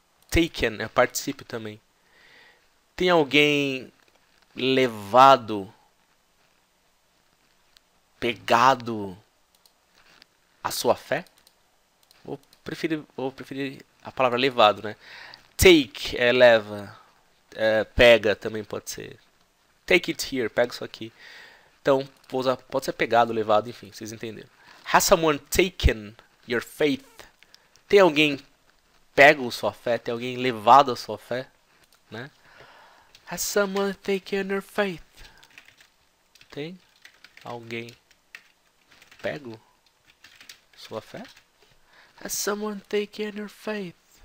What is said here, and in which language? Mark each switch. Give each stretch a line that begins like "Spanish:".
Portuguese: Taken, é participio também. Tem alguém levado, pegado a sua fé? Vou preferir a palavra levado, né? Take é leva, é, pega também pode ser.
English: Take it here,
Portuguese: pega isso aqui. Então, vou usar, pode ser pegado, levado, enfim, vocês entenderam.
English: Has someone taken your faith?
Portuguese: Tem alguém pega sua fé, tem alguém levado a sua fé, né?
English: Has someone taken your faith?
Portuguese: Tem alguém pego sua fé?
English: Has someone taken your faith?